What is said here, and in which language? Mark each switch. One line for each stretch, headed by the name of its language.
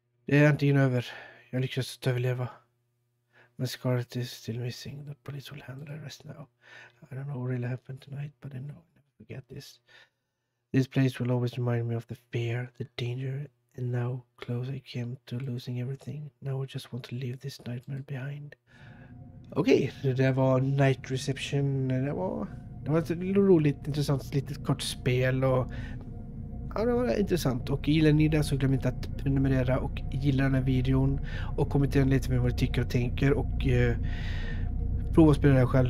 Swedish: Det är antingen över. Jag lyckas att överleva. Men
English: Scarlett is still missing. The police will handle the rest now. I don't know what really happened tonight, but I know I'll never forget this. This place will always remind me of the fear, the danger, and how close I came to losing everything. Now I just want to leave this nightmare behind.
Swedish: Okej, okay, det var Night Reception. Det var ett roligt, intressant, litet kort spel och... Ja, det var intressant. Och gillar ni det så glöm inte att prenumerera och gilla den här videon. Och kommentera lite med vad ni tycker och tänker. Och prova att spela det själv.